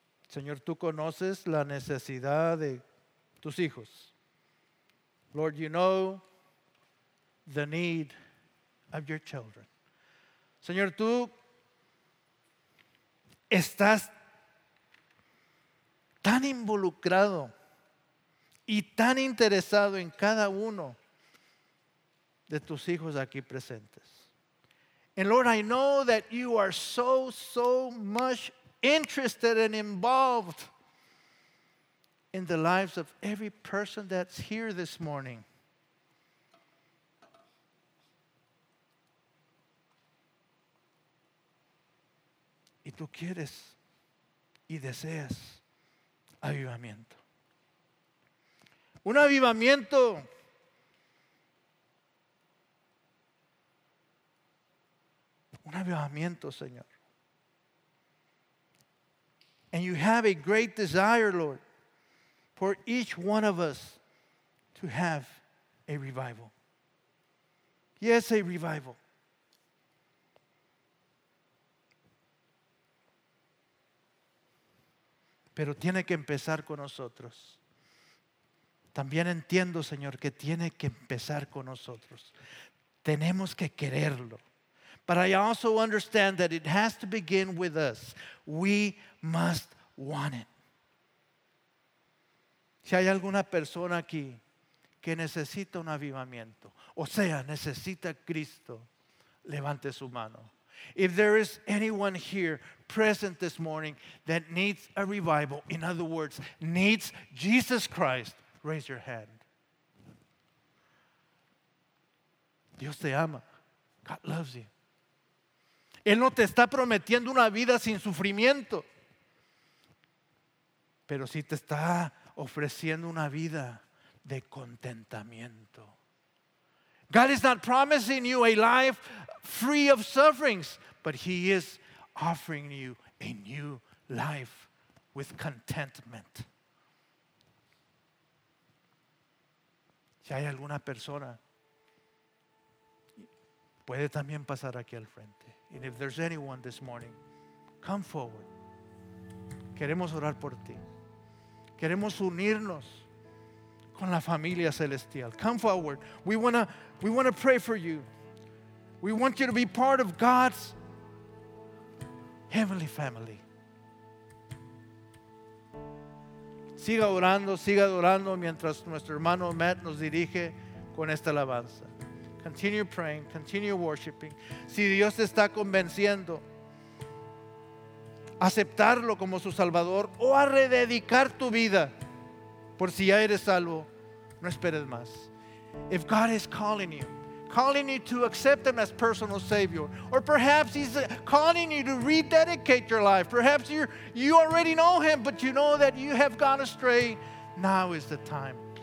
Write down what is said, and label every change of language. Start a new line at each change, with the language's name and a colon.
Spanish: Señor, tú conoces la necesidad de tus hijos.
English: Lord, you know the need of your children.
Spanish: Señor, tú estás tan involucrado y tan interesado en cada uno de tus hijos aquí presentes.
English: And Lord, I know that you are so, so much interested and involved in the lives of every person that's here this morning.
Spanish: Y tú quieres y deseas avivamiento. Un avivamiento Señor,
English: And you have a great desire, Lord, for each one of us to have a revival. Yes, a revival.
Spanish: Pero tiene que empezar con nosotros. También entiendo, Señor, que tiene que empezar con nosotros. Tenemos que quererlo.
English: But I also understand that it has to begin with us. We must want it.
Spanish: Si hay alguna persona aquí que necesita un avivamiento, o sea, necesita Cristo, levante su mano.
English: If there is anyone here present this morning that needs a revival, in other words, needs Jesus Christ, raise your hand.
Spanish: Dios te ama.
English: God loves you.
Spanish: Él no te está prometiendo una vida sin sufrimiento, pero sí te está ofreciendo una vida de contentamiento.
English: God is not promising you a life free of sufferings, but He is offering you a new life with contentment.
Spanish: Si hay alguna persona, puede también pasar aquí al frente.
English: And if there's anyone this morning, come forward.
Spanish: Queremos orar por ti. Queremos unirnos con la familia celestial.
English: Come forward. We want to pray for you. We want you to be part of God's heavenly family.
Spanish: Siga orando, siga adorando mientras nuestro hermano Matt nos dirige con esta alabanza.
English: Continue praying, continue worshiping.
Spanish: Si Dios te está convenciendo, aceptarlo como su Salvador o a rededicar tu vida, por si ya eres salvo, no esperes más.
English: If God is calling you to accept Him as personal Savior, or perhaps He's calling you to rededicate your life, perhaps you already know Him, but you know that you have gone astray, now is the time.